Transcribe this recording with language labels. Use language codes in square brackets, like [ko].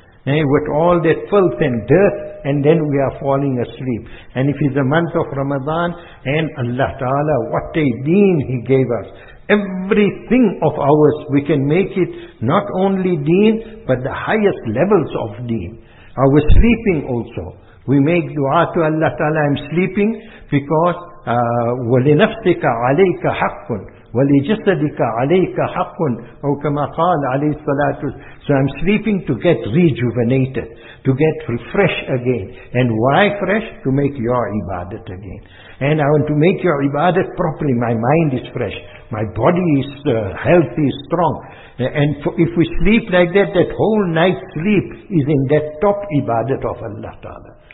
[en] With all that filth and dirt, and then we are falling asleep. And if it's a month of Ramadan, and Allah Ta'ala, what a deen He gave us. Everything of ours, we can make it not only deen, but the highest levels of deen. Our sleeping also. We make dua to Allah Ta'ala, I'm sleeping, because [ar] وَلِنَفْسِكَ عَلَيْكَ حَقٌ وَلِجَسَدِكَ عَلَيْكَ حَقٌ أو كَمَا قَالَ عَلَيْهِ الصَّلَاةُ. [en] So I'm sleeping to get rejuvenated, to get fresh again. And why fresh? To make your ibadat again. And I want to make your ibadat properly. My mind is fresh. My body is healthy, strong. And if we sleep like that, that whole night sleep is in that top ibadat of Allah Ta'ala.